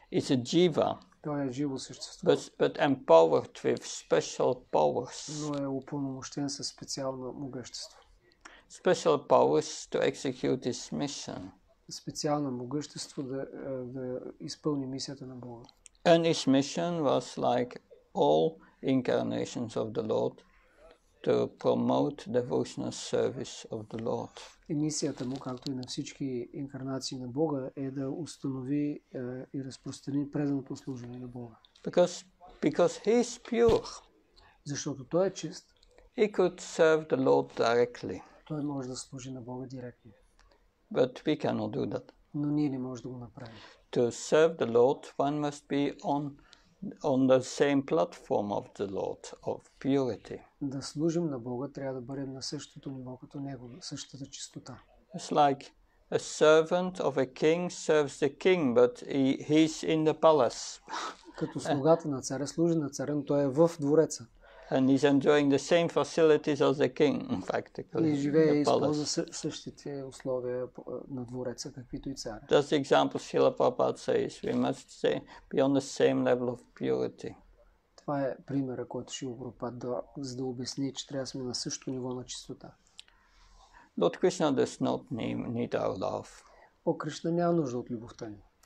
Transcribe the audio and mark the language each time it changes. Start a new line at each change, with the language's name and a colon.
English: It's a jiva.
Bulgarian: Той е живо същество.
English: But empowered with special powers.
Bulgarian: Но е упълномощен със специално могъщество.
English: Special powers to execute his mission.
Bulgarian: Специално могъщество да изпълни мисията на Бога.
English: And his mission was like all incarnations of the Lord to promote devotional service of the Lord.
Bulgarian: Мисията му, както и на всички инкарнации на Бога, е да установи и разпространи преданото служение на Бога.
English: Because he is pure.
Bulgarian: Защото той е чист.
English: He could serve the Lord directly.
Bulgarian: Той може да служи на Бога директно.
English: But we cannot do that.
Bulgarian: Но ние не можем да го направим.
English: To serve the Lord, one must be on the same platform of the Lord, of purity.
Bulgarian: Да служим на Бога, трябва да бъдем на същото ниво като Него, на същата чистота.
English: It's like a servant of a king serves the king, but he's in the palace.
Bulgarian: Като слугата на царя служи на царя, но той е в двореца.
English: And he's enjoying the same facilities as the king, practically.
Bulgarian: И живее и използва същите условия на двореца, каквито и царя.
English: That's the example Srila Prabhupada says. We must say, be on the same level of purity.
Bulgarian: Това е примера, който Шрила Прабхупада, за да обясни, че трябва да сме на същото ниво на чистота.
English: Lord Krishna does not need our love.
Bulgarian: О, Кришна няма нужда от любовта ни.